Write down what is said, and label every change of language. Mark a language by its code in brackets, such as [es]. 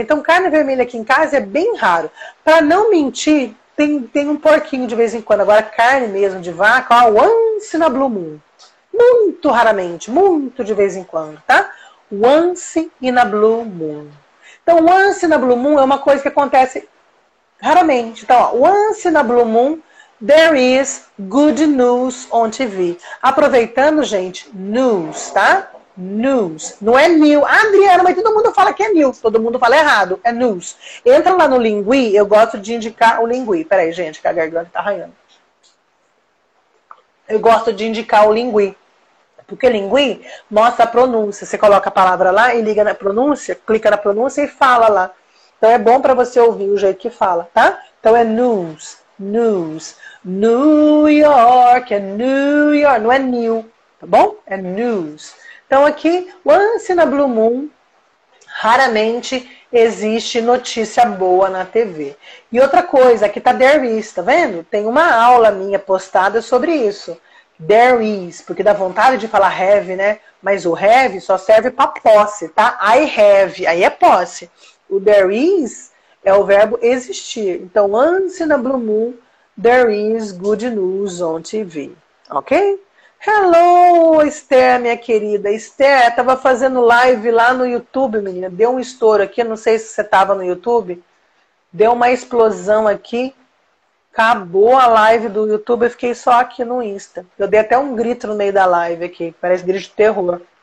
[pt] Então carne vermelha aqui em casa é bem raro. Para não mentir, tem um porquinho de vez em quando. Agora carne mesmo de vaca, ó, [en] once na blue moon. [pt] Muito raramente, muito de vez em quando, tá? [en] Once in a blue moon. [pt] Então, [en] once in a blue moon [pt] é uma coisa que acontece raramente. Então, ó, [en] once in a blue moon, there is good news on TV. [pt] Aproveitando, gente, news, tá? News. Não é new. Ah, Adriana, mas todo mundo fala que é new. Todo mundo fala errado. É news. Entra lá no Lingui, eu gosto de indicar o Lingui. Pera aí, gente, que a garganta tá arranhando. Eu gosto de indicar o Lingui. Porque Lingui mostra a pronúncia. Você coloca a palavra lá e liga na pronúncia, clica na pronúncia e fala lá. Então é bom para você ouvir o jeito que fala, tá? Então é news, news. New York, é New York, não é new, tá bom? É news. Então aqui, [en] once in a blue moon, [pt] raramente existe notícia boa na TV. E outra coisa, aqui tá [en] there is, [pt] tá vendo? Tem uma aula minha postada sobre isso. [en] There is, [pt] porque dá vontade de falar have, né? Mas o have só serve para posse, tá? [en] I have, [pt] aí é posse. O [en] there is [pt] é o verbo existir. [en] Então, once in a blue moon, there is good news on TV. [pt] Ok? Hello, Esther, minha querida. Esther, tava fazendo live lá no YouTube, menina. Deu um estouro aqui, não sei se você tava no YouTube. Deu uma explosão aqui. Acabou a live do YouTube, eu fiquei só aqui no Insta. Eu dei até um grito no meio da live aqui, parece grito de terror.